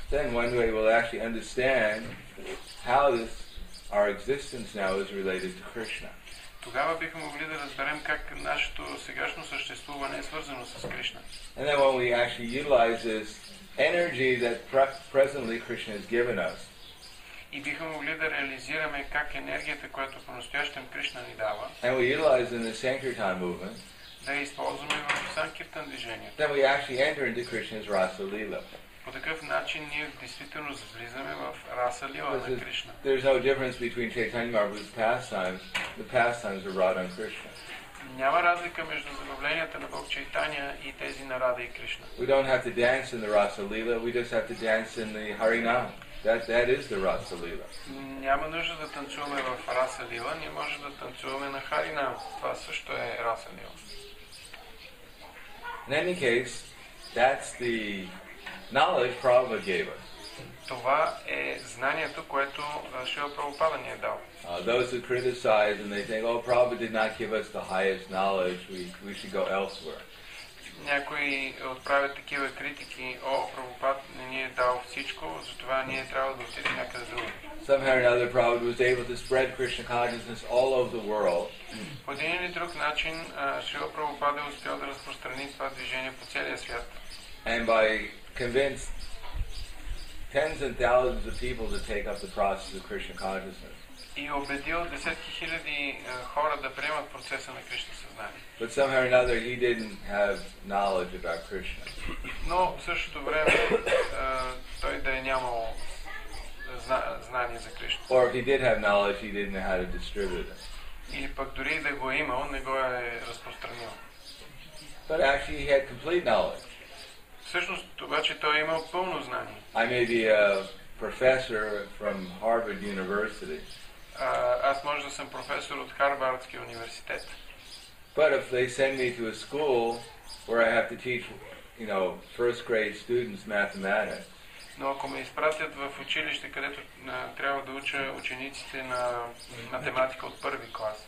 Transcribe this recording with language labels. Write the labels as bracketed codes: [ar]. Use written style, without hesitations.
[en] Then one way we'll actually understand how this our existence now is related to Krishna. [bg] Тогава бихме могли да разберем как нашето сегашно съществуване е свързано с Кришна. [en] And then when we actually utilize this energy that presently Krishna has given us. [bg] и биха могли да реализираме как енергията, която по-настоящем Кришна ни дава. [en] And we utilize in the Sankirtan movement. [bg] Да използваме в Санкиртан движението. [en] Then we actually enter into Krishna's Rasa Lila. [bg] По такъв начин ние действително влизаме в Раса Лила на Кришна. [en] There's no difference between Chaitanya Mahaprabhu's pastimes. The pastimes are Radha and Krishna. [bg] Няма разлика между забавленията на Бог Чайтания и тези на Рада и Кришна. [en] We don't have to dance in the Rasa Lila, we just have to dance in the Харинам. That is the Rasa Lila. [bg] Няма нужда да танцуваме в Раса Лила, ние можем да танцуваме на Харинам. Това също е Раса Лила. [en] In any case, that's the knowledge Prabhupada gave us. [bg] Това е знанието, което Шрила Прабхупада ни е дал. [en] Those who criticize and they think, oh, Prabhupada did not give us the highest knowledge, we should go elsewhere. [bg] Някои отправят такива критики, о, Прабхупада не ни е дал всичко, затова ние трябва да отидем някъде друго. [en] Somehow or another, Prabhupada was able to spread Krishna consciousness all over the world. [bg] По един или друг начин, Шрила Прабхупада успял да разпространи това движение по целия свят. [en] And by convinced tens and thousands of people to take up the process of Krishna consciousness. [bg] И убедил десетки хиляди хора да приемат процеса на Кришна съзнание. [en] But somehow or another he didn't have knowledge about Krishna. [bg] Но в същото време той да е нямал знание за Кришна. [en] Or if he did have knowledge, he didn't know how to distribute it. [bg] Или пък дори да го имал, не го е разпространил. [en] But actually he had complete knowledge. [bg] Всъщност обаче той е имал пълно знание. [en] I may be a professor from Harvard University. [bg] Аз може да съм професор от Харвардския университет. [en] But if they send me to a school where I have to teach, you know, first grade students mathematics. [bg] Но ако ме изпратят в училище, където трябва да уча учениците на математика от първи клас.